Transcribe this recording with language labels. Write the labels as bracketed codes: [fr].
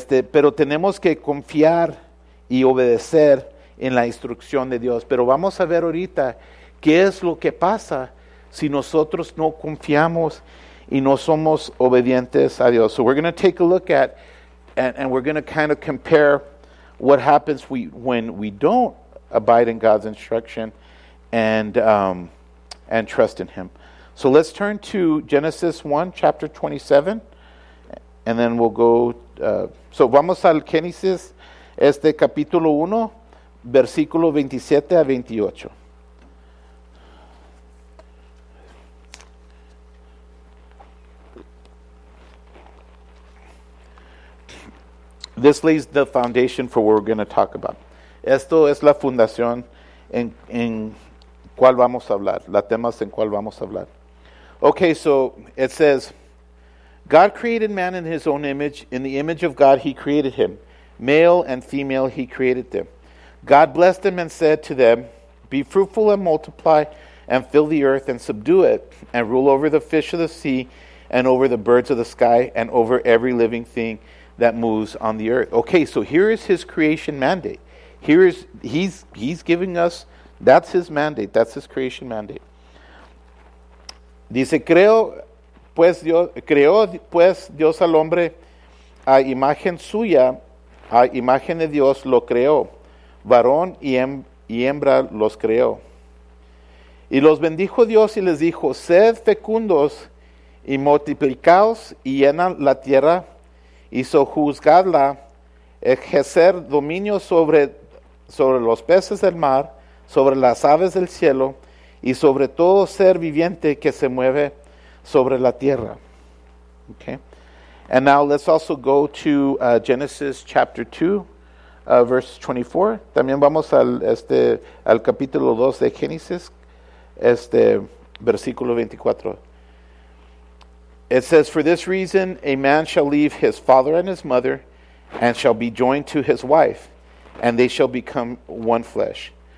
[es] Pero tenemos que confiar y obedecer en la instrucción de Dios. Pero vamos a ver ahorita qué es lo que pasa si nosotros no confiamos y no somos obedientes a Dios. [en] So we're going to take a look at, and we're going to kind of compare what happens when we don't abide in God's instruction and trust in Him. So let's turn to Genesis 1, chapter 27, and then we'll go. [es] So vamos al Génesis, capítulo 1, versículo 27 a 28. [en] This lays the foundation for what we're going to talk about. [es] Esto es la fundación en cuál vamos a hablar, la temas en cuál vamos a hablar. [en] Okay, so it says, God created man in his own image. In the image of God, he created him. Male and female, he created them. God blessed them and said to them, be fruitful and multiply and fill the earth and subdue it and rule over the fish of the sea and over the birds of the sky and over every living thing that moves on the earth. Okay, so here is his creation mandate. Here is, he's giving us, that's his mandate. That's his creation mandate. [es] Dice, creó pues Dios al hombre a imagen suya, a imagen de Dios lo creó. Varón y hembra los creó. Y los bendijo Dios y les dijo, sed fecundos y multiplicaos y llenan la tierra y sojuzgadla, ejercer dominio sobre los peces del mar, sobre las aves del cielo, y sobre todo ser viviente que se mueve sobre la tierra. [en] Okay. And now let's also go to Genesis chapter 2, verse 24. [es] También vamos al capítulo 2 de Génesis, versículo 24. [en] It says, for this reason, a man shall leave his father and his mother and shall be joined to his wife, and they shall become one flesh.